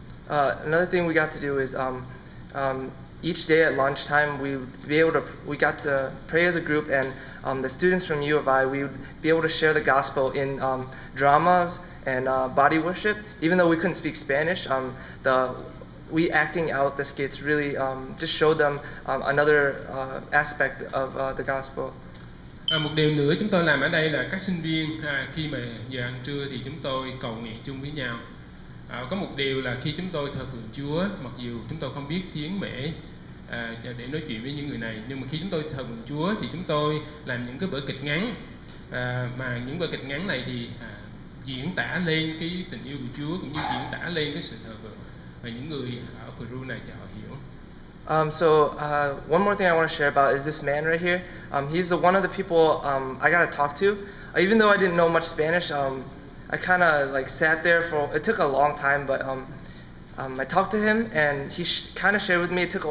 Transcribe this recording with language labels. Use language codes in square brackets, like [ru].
[en] Another thing we got to do is each day at lunchtime we got to pray as a group, and the students from U of I, we would be able to share the gospel in dramas and body worship. Even though we couldn't speak Spanish, we acting out the skits really just showed them another aspect of the gospel. [vi] Một điều nữa chúng tôi làm ở đây là các sinh viên khi mà giờ ăn trưa thì chúng tôi cầu nguyện chung với nhau. Có một điều là khi chúng tôi thờ phượng Chúa, mặc dù chúng tôi không biết tiếng Mẽ để nói chuyện với những người này, nhưng mà khi chúng tôi thờ phượng Chúa thì chúng tôi làm những cái vở kịch ngắn, mà những vở kịch ngắn này thì diễn tả lên cái tình yêu của Chúa cũng như diễn tả lên cái sự thờ phượng, và những người ở Peru này thì họ hiểu. [en] One more thing I want to share about is this man right here. He's one of the people I got to talk to. Even though I didn't know much Spanish, I kind of like sat there for, it took a long time, but I talked to him and he kind of shared with me.